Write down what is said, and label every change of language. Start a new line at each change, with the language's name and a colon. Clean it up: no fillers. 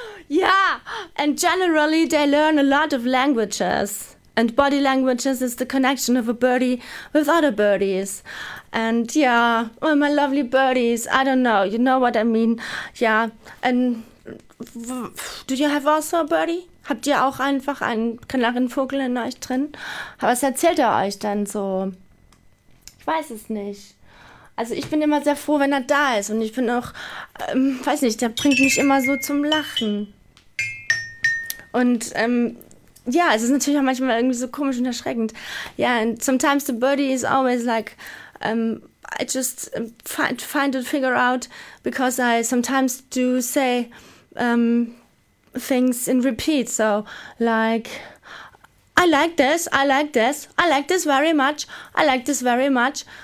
English: Yeah, and generally they learn a lot of languages, and body languages is the connection of a birdie with other birdies. And yeah, oh, my lovely birdies, I don't know, you know what I mean. Yeah, and do you have also a birdie?
German: Habt ihr auch einfach einen Kanarienvogel in euch drin? Was erzählt er euch denn so? Ich weiß es nicht. Also ich bin immer sehr froh, wenn er da ist. Und ich bin auch, weiß nicht, der bringt mich immer so zum Lachen. Und es ist natürlich auch manchmal irgendwie so komisch und erschreckend.
English: Yeah, and sometimes the birdie is always like, I just find it, figure out, because I sometimes do say things in repeat. So like, I like this, I like this, I like this very much, I like this very much.